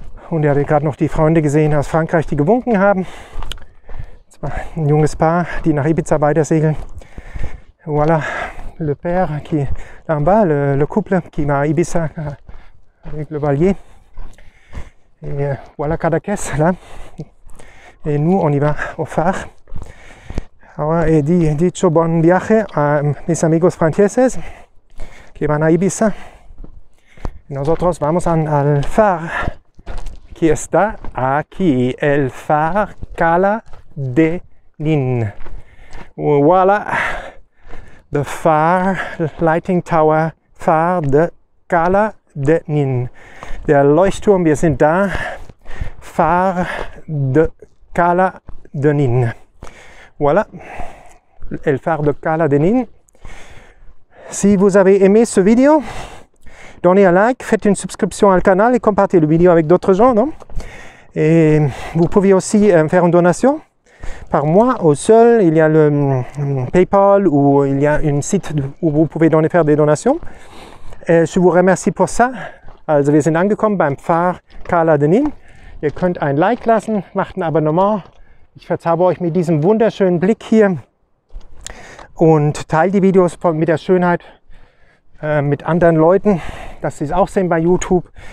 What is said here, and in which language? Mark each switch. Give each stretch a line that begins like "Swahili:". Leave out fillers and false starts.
German: Und ihr habt gerade noch die Freunde gesehen aus Frankreich, die gewunken haben. Das war ein junges Paar, die nach Ibiza weiter segeln.
French: Voilà, le père qui en bas, le couple qui va à Ibiza avec le balier. Et voilà Cadaques là. Et nous, on y va au phare. Alors, et
Spanish: dicho bon viaje
French: à mes
Spanish: amigos franceses
French: qui
Spanish: van a Ibiza. Nosotros vamos al phare
French: qui
Spanish: está aquí, el phare Cala de Nin.
French: Voilà,
English: the phare, lighting tower, phare de Cala de Nin.
German: Der Leuchtturm, wir sind da, phare de Cala de Nin.
French: Voilà,
Spanish: el phare de Cala de Nin.
French: Si vous avez aimé ce vidéo, donnez un like, faites une subscription au canal et compartez le vidéo avec d'autres gens, non? Et vous pouvez aussi faire une donation par mois ou seul. Il y a le PayPal ou il y a un site où vous pouvez faire des donations. Et je vous remercie pour ça.
German: Also, wir sind angekommen beim Phare Cala de Nin. Ihr könnt ein Like lassen, macht ein Abonnement. Ich verzauber euch mit diesem wunderschönen Blick hier. Und teilt die Videos mit der Schönheit mit anderen Leuten, dass sie es auch sehen bei YouTube.